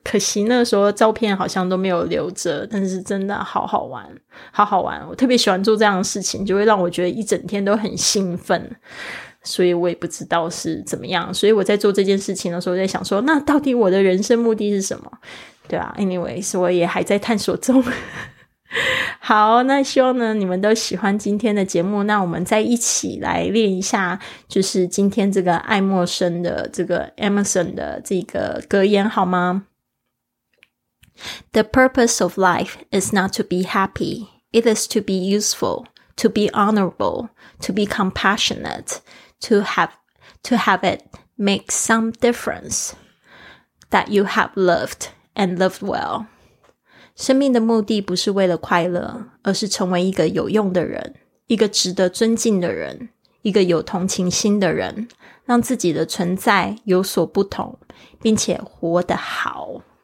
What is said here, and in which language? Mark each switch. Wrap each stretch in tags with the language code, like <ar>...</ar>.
<zh>可惜那时候照片好像都没有留着，但是真的好好玩，好好玩，我特别喜欢做这样的事情，就会让我觉得一整天都很兴奋，所以我也不知道是怎么样，所以我在做这件事情的时候在想说，那到底我的人生目的是什么，对啊， anyways 我也还在探索中好，那希望呢你们都喜欢今天的节目，那我们再一起来练一下就是今天这个爱默生的这个 Emerson 的这个格言好吗？</zh> <en>The purpose of life is not to be happy, it is to be useful, to be honorable, to be compassionate, to have it make some difference that you have loved and loved well.</en> <zh>生命的目的不是为了快乐，而是成为一个有用的人，一个值得尊敬的人，一个有同情心的人，让自己的存在有所不同，并且活得好。</zh>